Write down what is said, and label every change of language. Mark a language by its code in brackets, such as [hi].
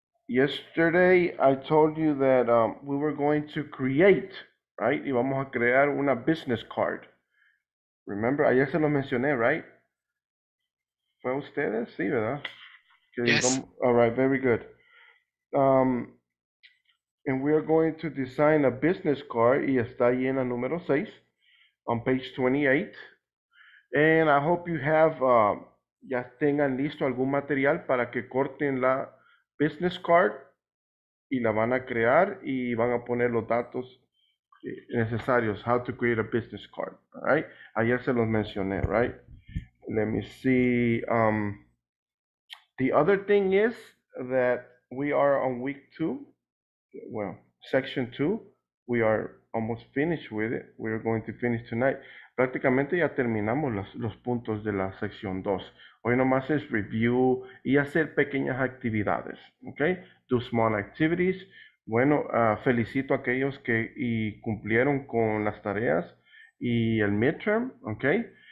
[en] Yesterday, I told you that we were going to create, right? [es] Y vamos a crear una business card. Remember, ayer se lo mencioné, right? ¿Fue ustedes? Sí, ¿verdad? Que yes. Vamos, [en] all right, very good. And we are going to design a business card. [es] Y está ahí en la número 6, [en] on page 28. And I hope you have, [es] ya tengan listo algún material para que corten la business card. Y la van a crear y van a poner los datos necesarios, [en] how to create a business card, [es] all right? Ayer se los mencioné, right? [en] Let me see. The other thing is that we are on week two, well, section two. We are almost finished with it. We are going to finish tonight. [es] Prácticamente ya terminamos los puntos de la sección 2. Hoy nomás es review y hacer pequeñas actividades. Okay? [en] Do small activities. [es] Bueno, felicito a aquellos que y cumplieron con las tareas y el midterm. Okay?